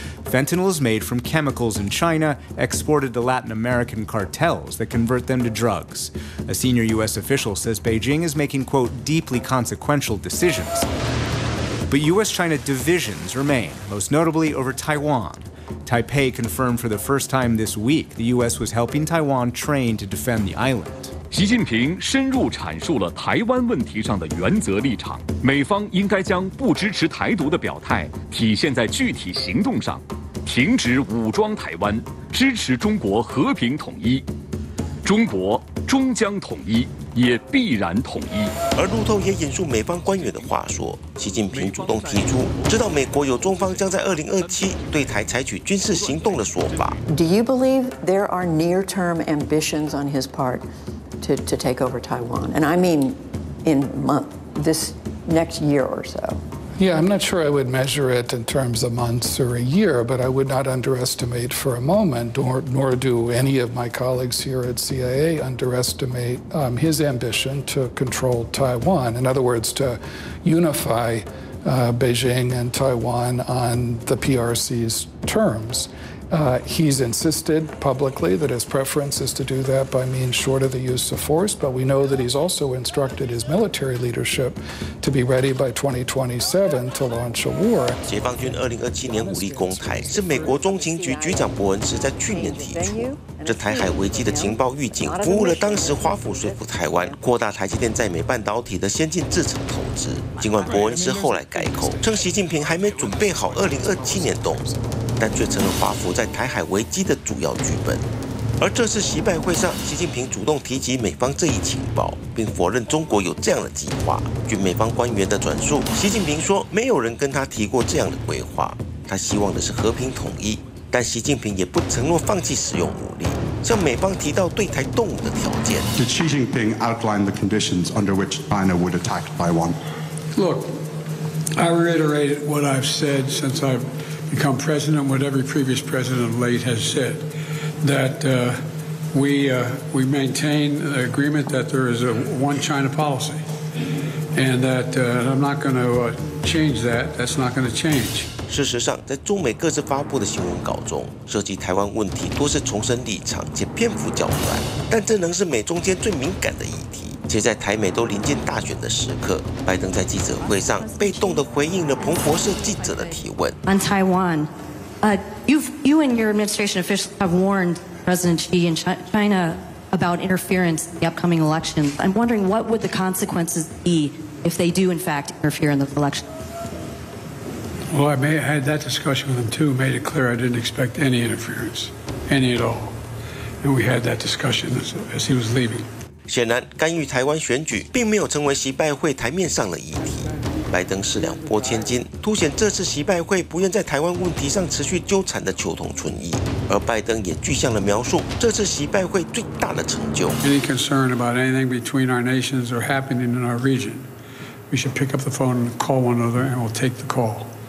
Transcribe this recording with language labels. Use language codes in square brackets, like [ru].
[en] Fentanyl is made from chemicals in China, exported to Latin American cartels that convert them to drugs. A senior U.S. official says Beijing is making, quote, deeply consequential decisions. But U.S.-China divisions remain, most notably over Taiwan. Taipei confirmed for the first time this week the U.S. was helping Taiwan train to defend the island. [zh] 习近平深入阐述了台湾问题上的原则立场，美方应该将不支持台独的表态体现在具体行动上，停止武装台湾，支持中国和平统一。中国终将统一，也必然统一。而路透也引述美方官员的话说，习近平主动提出知道美国有中方将在2027对台采取军事行动的说法。 [en] Do you believe there are near-term ambitions on his part to take over Taiwan? And I mean in month, this next year or so. Yeah, I'm not sure I would measure it in terms of months or a year, but I would not underestimate for a moment, nor do any of my colleagues here at CIA underestimate his ambition to control Taiwan. In other words, to unify Beijing and Taiwan on the PRC's terms. He's insisted publicly that his preference is to do that by means short of the use of force, but we know that he's also instructed his military leadership to be ready by 2027 to launch a war. [zh] 解放军2027年武力攻台是美国中情局局长伯恩斯在去年提出，这台海危机的情报预警服务了当时华府说服台湾扩大台积电在美半导体的先进制程投资。尽管伯恩斯后来改口，称习近平还没准备好2027年动作。但却成了华府在台海危机的主要剧本。而这次习拜会上，习近平主动提及美方这一情报，并否认中国有这样的计划。据美方官员的转述，习近平说没有人跟他提过这样的规划，他希望的是和平统一，但习近平也不承诺放弃使用武力，向美方提到对台动武的条件。 [en] Did Xi Jinping outline the conditions under which China would attack Taiwan? Look, I reiterate what I've said since I've become president, what every previous president of late has said, that we maintain the agreement that there is a one China policy, and that I'm not going to change that. That's not going to change. [zh] 事实上，在中美各自发布的新闻稿中，涉及台湾问题多是重申立场，且篇幅较短。但这仍是美中间最敏感的议题，且在台美都临近大选的时刻，拜登在记者会上被动地回应了彭博社记者的提问。 [en] On Taiwan, you and your administration officials have warned President Xi and China about interference in the upcoming election. I'm wondering what would the consequences be if they do in fact interfere in the election. Well, I had that discussion with them too, made it clear I didn't expect any interference, any at all. And we had that discussion as he was leaving. [zh] 显然，干预台湾选举并没有成为习拜会台面上的议题。拜登是两拨千斤，凸显这次习拜会不愿在台湾问题上持续纠缠的求同存异。而拜登也具象地描述这次习拜会最大的成就。 [en] Any concern about anything between our nations or happening in our region, we should pick up the phone and call one another and we'll take the call.